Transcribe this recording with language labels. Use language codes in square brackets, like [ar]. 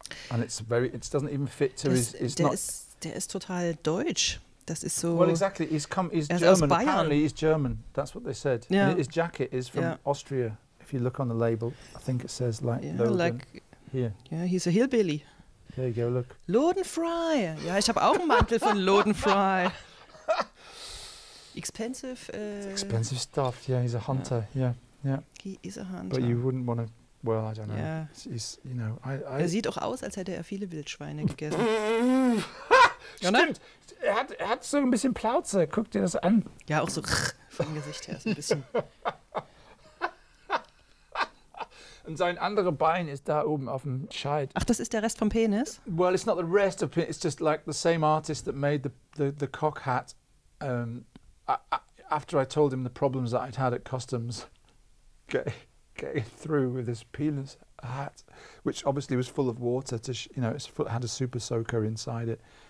[en] And it's very, it doesn't even fit to his, it's [de] der [en] not. [de] Ist, der ist total deutsch. Das ist so. [en] Well, exactly. He's German. [de] Aus Bayern. [en] Apparently he's German. That's what they said. Yeah. And his jacket is from Austria. If you look on the label, I think it says like here. Yeah, he's a hillbilly. There you go, look. Lodenfrei. [de] Ja, ich habe auch einen Mantel von Lodenfrei. [en] Expensive. Expensive stuff. Yeah, he's a hunter. Yeah. He is a hunter. But you wouldn't want to. Well, I don't know. Yeah. He's, you know, I [de] er sieht auch aus, als hätte er viele Wildschweine gegessen. Stimmt. Er hat so ein bisschen Plauze. Guck dir das an. Ja, auch so vom Gesicht her so ein bisschen. Und sein anderes Bein ist da oben auf dem Scheit. Ach, das ist der Rest vom Penis? [en] Well, it's not the rest of penis. It's just like the same artist that made the cock hat. After I told him the problems that I'd had at customs. Okay. Getting through with this penis hat, which obviously was full of water, had a super soaker inside it.